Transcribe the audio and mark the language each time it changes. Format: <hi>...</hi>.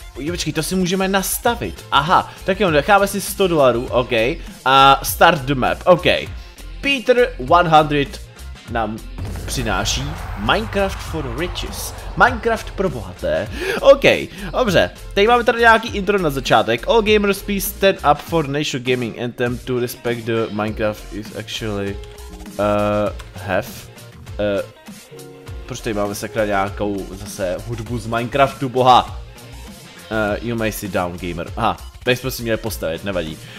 <cs>Počkej, to si můžeme nastavit, aha, tak jo, necháme si $100, OK, a start the map, OK. Peter 100 nám přináší Minecraft for Riches. Minecraft pro bohaté. OK, dobře. Teď máme tady nějaký intro na začátek.</cs> <en>All gamers please stand up for National Gaming Anthem to respect the Minecraft is actually have.</en> <cs>Proč tady máme sakra nějakou zase hudbu z Minecraftu boha?</cs> <en>You may sit down, gamer.</en> <cs>Aha, tak jsme si měli postavit, nevadí.</cs>